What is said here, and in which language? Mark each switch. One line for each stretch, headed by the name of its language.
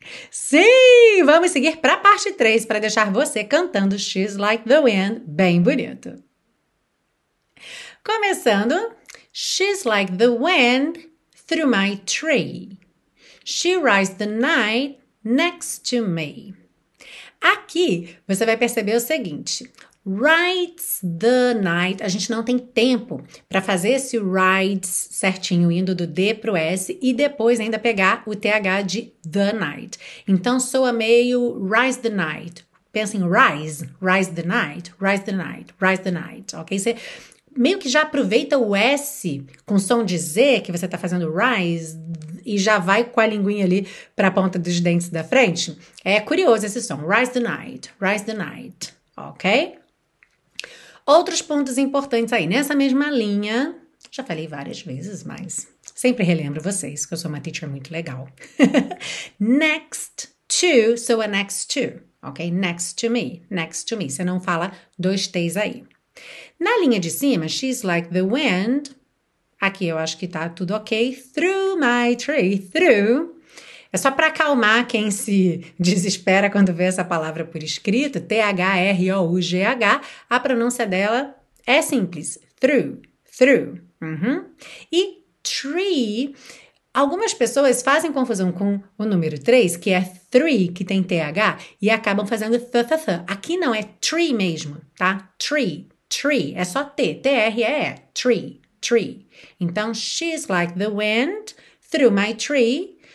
Portuguese: Sim, vamos seguir para a parte 3 para deixar você cantando She's Like the Wind bem bonito. Começando:
English: She's like the wind through my tree. She rides the night next to me.
Portuguese: Aqui você vai perceber o seguinte:
English: Rides the night.
Portuguese: A gente não tem tempo para fazer esse rides certinho, indo do D pro S e depois ainda pegar o TH de the night. Então soa meio
English: rise the night.
Portuguese: Pensa em
English: rise, rise the night, rise the night, rise the night. Ok?
Portuguese: Você meio que já aproveita o S com som de Z, que você está fazendo rise, e já vai com a linguinha ali para a ponta dos dentes da frente. É curioso esse som.
English: Rise the night, rise the night. Ok?
Portuguese: Outros pontos importantes aí, nessa mesma linha, já falei várias vezes, mas sempre relembro vocês que eu sou uma teacher muito legal.
English: Next to, so a next to, ok? Next to me, next to me.
Portuguese: Você não fala dois T's aí. Na linha de cima,
English: she's like the wind.
Portuguese: Aqui eu acho que tá tudo ok.
English: Through my tree, through.
Portuguese: É só para acalmar quem se desespera quando vê essa palavra por escrito, THROUGH, a pronúncia dela é simples, through, through. E tree, algumas pessoas fazem confusão com o número 3, que é three, que tem TH, e acabam fazendo th-th-th. Aqui não é tree mesmo, tá? Tree, tree, é só T, T-R-E-E, tree, tree.
English: Então, she's like the wind through my tree.